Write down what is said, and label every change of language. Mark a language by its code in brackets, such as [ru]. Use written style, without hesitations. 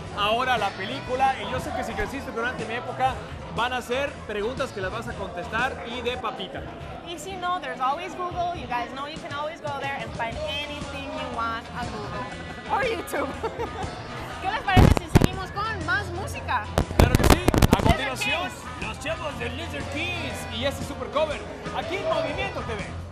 [es] Ahora la película, y yo sé que si creciste durante mi época, van a ser preguntas que las vas a contestar y de papita. Y si no, [en] there's always Google. You guys know you can always go there and find anything you want on Google. Or YouTube. [es] ¿Qué les parece si seguimos con más música? Claro que sí. A continuación, los chavos de Lizard Keys y este super cover, aquí en Movimiento TV.